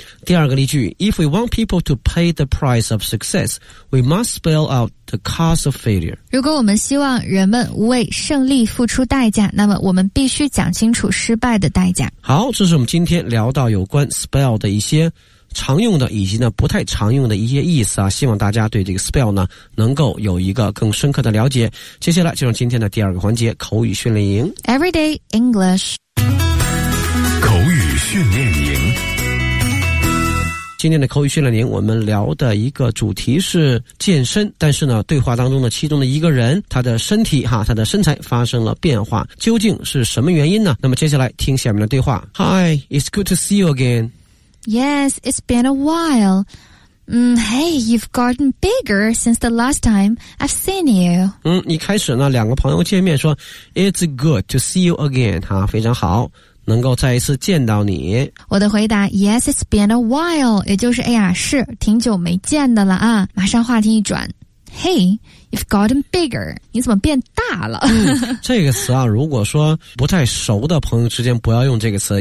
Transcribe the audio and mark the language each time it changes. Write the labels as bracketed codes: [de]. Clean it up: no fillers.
[zh] 第二个例句， [en] If we want people to pay the price of success, we must spell out the cost of failure. [zh] 如果我们希望人们为胜利付出代价，那么我们必须讲清楚失败的代价。好，这是我们今天聊到有关 spell 的一些常用的以及呢不太常用的一些意思啊，希望大家对这个 spell 呢能够有一个更深刻的了解。接下来就是今天的第二个环节，口语训练营。 [en] Everyday English。 [zh] 口语训练营。今天的口语训练营，我们聊的一个主题是健身，但是呢，对话当中的其中的一个人，他的身体哈，他的身材发生了变化，究竟是什么原因呢？那么接下来听下面的对话。 [en] Hi, it's good to see you again. Yes, it's been a while. Hey, you've gotten bigger since the last time I've seen you. [zh] 你开始呢，两个朋友见面说 [en] It's good to see you again. [zh] 哈，非常好，能够再一次见到你。我的回答 [en] Yes, it's been a while. [zh] 也就是哎呀，是挺久没见的了啊。马上话题一转。 [en] Hey, you've gotten bigger. [zh] 你怎么变大了？这个词啊，如果说不太熟的朋友之间不要用这个词。